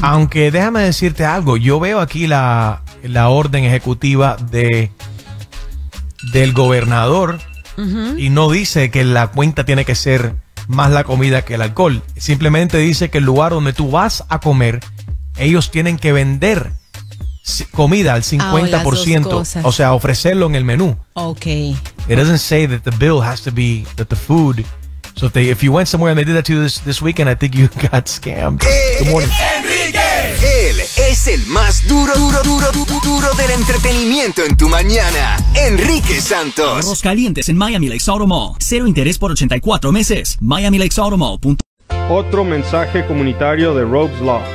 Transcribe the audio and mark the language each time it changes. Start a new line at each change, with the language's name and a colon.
Spanish: Aunque déjame decirte algo, yo veo aquí la orden ejecutiva del gobernador, uh-huh, y no dice que la cuenta tiene que ser más la comida que el alcohol. Simplemente dice que el lugar donde tú vas a comer, ellos tienen que vender comida al 50%, o sea, ofrecerlo en el menú.
English: Okay. It doesn't say that the bill has to be that the food. So if you went somewhere and they did that to you this weekend, I think you got scammed. Good morning. Enrique.
Spanish: Él es el más duro del entretenimiento en tu mañana. Enrique Santos. Carros calientes en Miami Lakes Auto Mall. Cero interés por 84 meses. Miami Lakes Auto Mall. Otro mensaje comunitario de Rogue's Law.